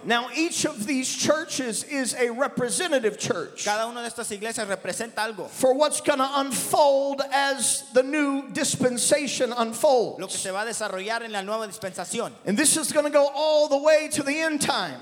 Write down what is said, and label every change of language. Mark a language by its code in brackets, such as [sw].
[en] Now each of these churches is a representative church. [es] Cada una de estas iglesias representa algo. [en] For what's going to unfold as the new dispensation unfolds. [es] Lo que se va a desarrollar en la nueva dispensación. [en] And this is going to go all the way to the end time.